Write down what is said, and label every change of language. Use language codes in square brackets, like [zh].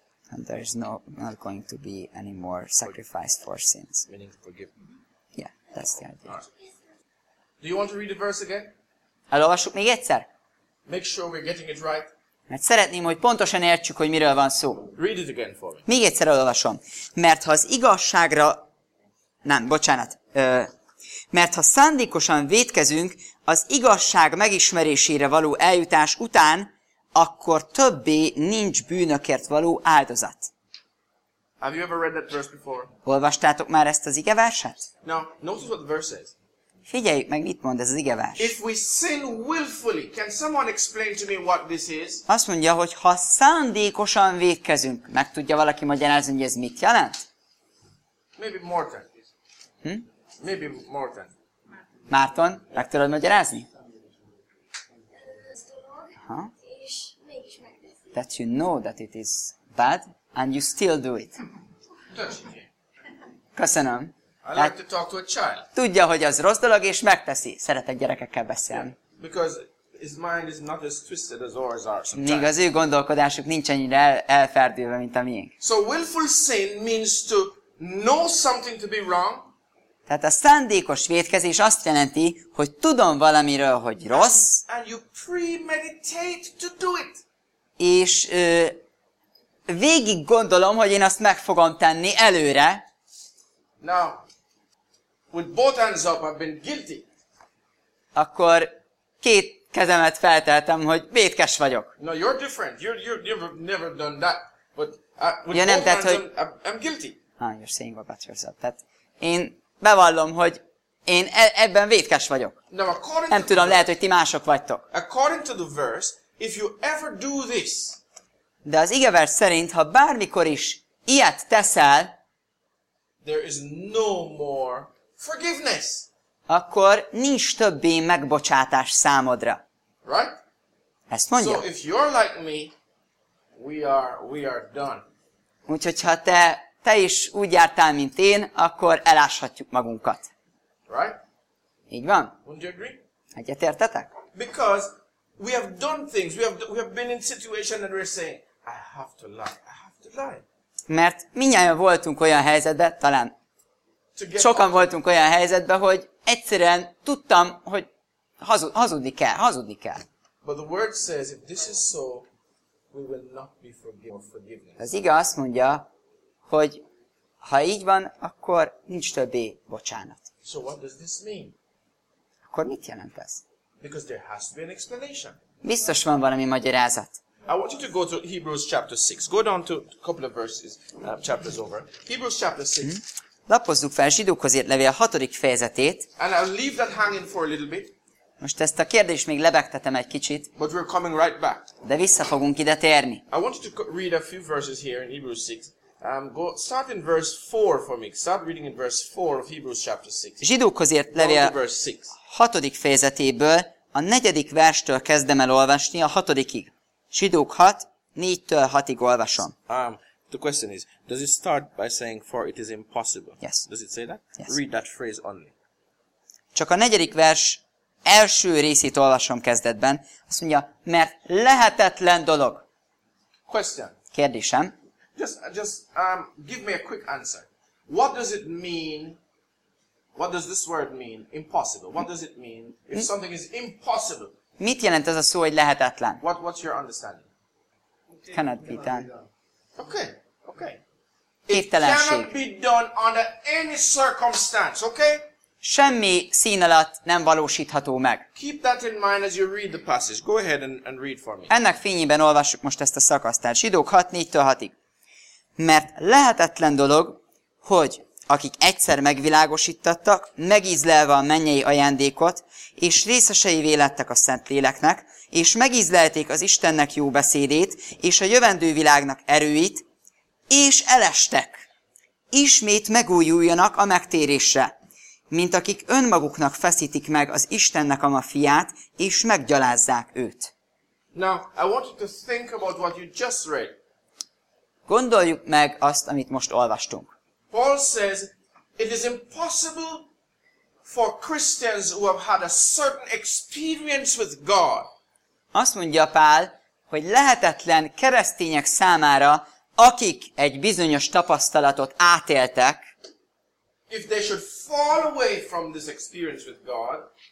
[en] And there is not going to be any more sacrifice for sins. Meaning forgive. Yeah, that's the idea. Right. Do you want to read the verse again? [hu] Elolvassuk még egyszer. [en] Make sure we're getting it right. [hu] Mert szeretném, hogy pontosan értsük, hogy miről van szó. [en] Read it again for me. [hu] Még egyszer elolvasom. Mert ha az igazságra... Nem, bocsánat. Mert ha szándékosan vétkezünk az igazság megismerésére való eljutás után, akkor többé nincs bűnökért való áldozat. [en] Have you ever read that verse before? [hu] Olvastátok már ezt az igeverset? [en] Now, notice what the verse says. [hu] Figyeljük meg, mit mond ez az igevers. [en] If we sin willfully, can someone explain to me what this is? [hu] Azt mondja, hogy ha szándékosan vétkezünk, meg tudja valaki magyarázni, hogy ez mit jelent? [en] Maybe Morten. Hm? Maybe Morten. [hu] Márton, meg tudod magyarázni? Aha. És mégis megteszi. [en] That you know that it is bad, and you still do it. [hu] Köszönöm. [en] I like to talk to a child. [hu] Tudja, hogy az rossz dolog, és megteszi. Szeretett gyerekekkel beszélni. [en] Yeah. Because his mind is not as twisted as ours are sometimes. [hu] Míg az ő gondolkodásuk nincs annyira elferdülve, mint a miénk. [en] So willful sin means to know something to be wrong. [hu] Tehát a szándékos vétkezés azt jelenti, hogy tudom valamiről, hogy rossz. [en] And you premeditate to do it. [hu] És végig gondolom, hogy én azt meg fogom tenni előre. [en] Now, with both hands up, I've been guilty. [hu] Akkor két kezemet felteltem, hogy vétkes vagyok. [en] No, you're different. You've never done that. But with [hu] ja, nem, [en] both hands [hu] hogy... [en] up, I'm guilty. Ah, you're saying about yourself. [hu] Tehát én bevallom, hogy én ebben vétkes vagyok. [en] Now, according [hu] nem tudom, lehet, hogy ti mások vagytok. [en] According to the verse, if you ever do this, [hu] de az igevers szerint, ha bármikor is ilyet teszel, [en] there is no more forgiveness. [hu] Akkor nincs többé megbocsátás számodra. [en] Right? [hu] Ezt mondja. [en] So if you're like me, we are done. [hu] Úgyhogy ha te is úgy jártál, mint én, akkor eláshatjuk magunkat. [en] Right? [hu] Így van. [en] Wouldn't you agree? [hu] Egyetértetek? [en] Because we have done things, we have been in situation that we're saying, I have to lie. [hu] Mert mindnyáján voltunk olyan helyzetben, talán sokan voltunk olyan helyzetben, hogy egyszerűen tudtam, hogy hazudni kell. [en] But the word says, if this is so, we will not be forgiven. [hu] Az ige azt mondja, hogy ha így van, akkor nincs többé bocsánat. [en] So what does this mean? [hu] Akkor mit jelent ez? [en] Because there has to be an explanation. [hu] Biztos van valami magyarázat. [en] I want you to go to Hebrews chapter 6. Go down to a couple of verses, chapters over. Hebrews chapter 6. [hu] Lapozzuk fel Zsidókhoz írt levél 6. fejezetét. [en] And I'll leave that hanging for a little bit. [hu] Most ezt a kérdést még lebegtetem egy kicsit. [en] But we're coming right back. [hu] De vissza fogunk ide térni. [en] I want you to read a few verses here in Hebrews 6. Go start in verse 4 for me. Start reading in verse 4 of Hebrews chapter 6. [hu] Zsidókhoz írt levél 6. fejezetéből a 4. verstől kezdem el olvasni a 6. Zsidók 6, 4-től 6-ig olvasom. [en] The question is, does it start by saying, for it is impossible? Yes. Does it say that? Yes. Read that phrase only. [hu] Csak a 4. vers első részét olvasom kezdetben. Azt mondja, mert lehetetlen dolog. [en] Question. [hu] Kérdésem. [en] Just give me a quick answer. What does it mean, what does this word mean, impossible? What does it mean if something is impossible? [hu] Mit jelent ez a szó, hogy lehetetlen? [en] What's your understanding? Cannot be done. Okay. [hu] Képtelenség. [en] It cannot be done under any circumstance, okay? [hu] Semmi szín alatt nem valósítható meg. [en] Keep that in mind as you read the passage. Go ahead and read for me. [hu] Ennek fényében olvassuk most ezt a szakaszt. Zsidók 6, 4-től 6-ig. Mert lehetetlen dolog, hogy akik egyszer megvilágosítottak, megízlelve a mennyei ajándékot, és részeseivé lettek a Szentléleknek, és megízlelték az Istennek jó beszédét, és a jövendő világnak erőit, és elestek, ismét megújuljanak a megtérésre, mint akik önmaguknak feszítik meg az Istennek ama fiát, és meggyalázzák őt. [en] Now, I want you to think about what you just read. [hu] Gondoljuk meg azt, amit most olvastunk. [en] Paul says, it is impossible for Christians who have had a certain experience with God. [hu] Azt mondja Pál, hogy lehetetlen keresztények számára, akik egy bizonyos tapasztalatot átéltek, [en] if they should fall away from this experience with God,